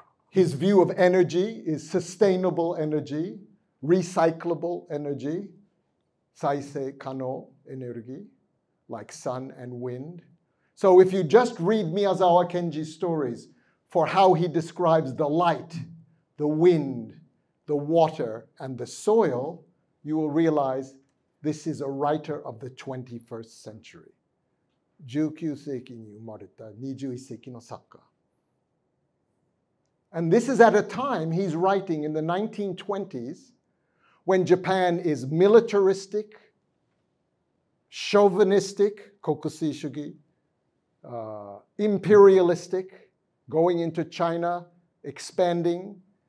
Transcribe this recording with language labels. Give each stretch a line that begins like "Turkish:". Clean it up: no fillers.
English: His view of energy is sustainable energy, recyclable energy,
Japanese: 再生可能エネルギー,
English: like sun and wind. So if you just read Miyazawa Kenji's stories for how he describes the light, the wind, the water, and the soil, you will realize this is a writer of the 21st century.
Japanese: 19世紀に生まれた21世紀の作家。
English: And this is at a time he's writing in the 1920s when Japan is militaristic, chauvinistic,
Japanese: kokusei shugi,
English: imperialistic, going into China, expanding.